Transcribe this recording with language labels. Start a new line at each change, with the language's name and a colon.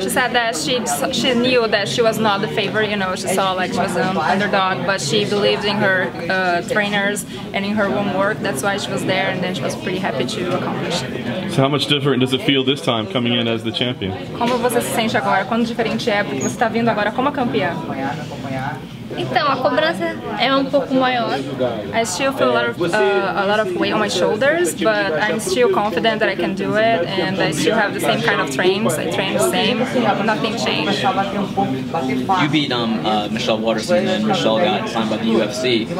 English: She said that she knew that she was not the favorite, you know, she saw like she was an underdog, but she believed in her trainers and in her homework. That's why she was there, and then she was pretty happy to accomplish it. So how much different does it feel this time coming in as the champion?
Portuguese: Como você se sente agora? Quão diferente é porque você está vindo agora como a campeã? Então, a cobrança é pouco maior.
English: I still feel a lot of weight on my shoulders, but I'm still confident that I can do it, and I still have the same kind of trains. I train the same, nothing changed. You beat Michelle Waterson, and Michelle got signed by the UFC.